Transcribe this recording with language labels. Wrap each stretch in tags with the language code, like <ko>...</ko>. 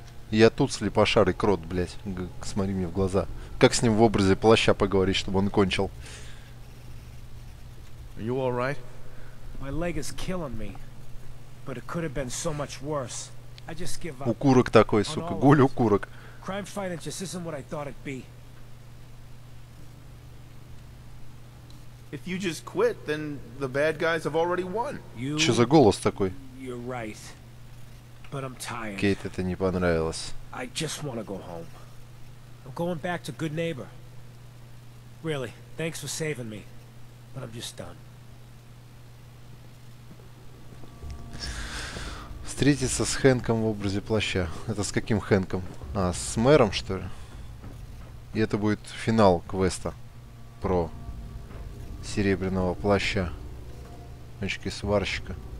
<ru>Я тут слепошарый крот, блять. Смотри мне в глаза. Как с ним в образе плаща поговорить, чтобы он кончил?</ru> <en>Are you all right? My leg is killing me, but it could have been so much worse. I just give up.</en> <ru>Укурок такой, сука, гуль укурок.</ru> <en>Crime fighting just isn't what I thought it'd be. If you just quit, then the bad guys have already won.</en> <ru>Что за голос такой?</ru> <en>You're right, but I'm tired.</en> <ru>Кейт, это не понравилось.</ru> <en>I just want to go home. I'm going back to Good Neighbor. Really, thanks for saving me, but I'm just done.</en> <ru>Встретиться с Хэнком в образе плаща. Это с каким Хэнком? А, с мэром, что ли? И это будет финал квеста про серебряного плаща, очки сварщика.</ru>